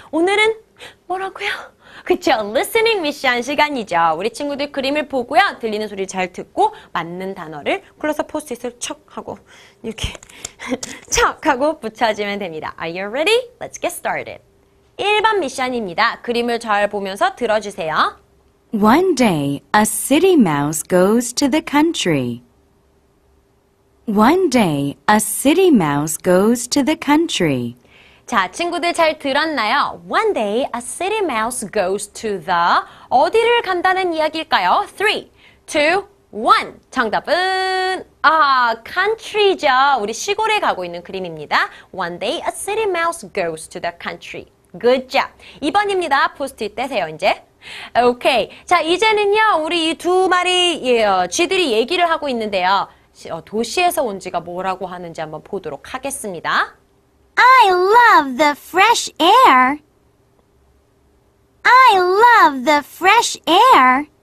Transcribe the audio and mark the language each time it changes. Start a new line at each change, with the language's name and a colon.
Korean: 오늘은 뭐라고요? 그쵸, Listening Mission 시간이죠. 우리 친구들 그림을 보고요, 들리는 소리를 잘 듣고 맞는 단어를 클로즈업 포스트잇을 척 하고 이렇게 척 하고 붙여주면 됩니다.
English: Are you ready? Let's get started.
Korean: 1번 미션입니다. 그림을 잘 보면서 들어주세요.
English: One day, a city mouse goes to the country. One day, a city mouse goes to the country.
Korean: 자, 친구들 잘 들었나요?
English: One day, a city mouse goes to the
Korean: 어디를 간다는 이야기일까요? 3, 2, 1. 정답은 country죠. 우리 시골에 가고 있는 그림입니다.
English: One day, a city mouse goes to the country. Good job.
Korean: 2번입니다. 포스트잇 떼세요, 이제. 오케이. 자, 이제는요, 우리 이 두 마리, 쥐들이 얘기를 하고 있는데요. 도시에서 온 쥐가 뭐라고 하는지 한번 보도록 하겠습니다.
English: I love the fresh air. I love the fresh air.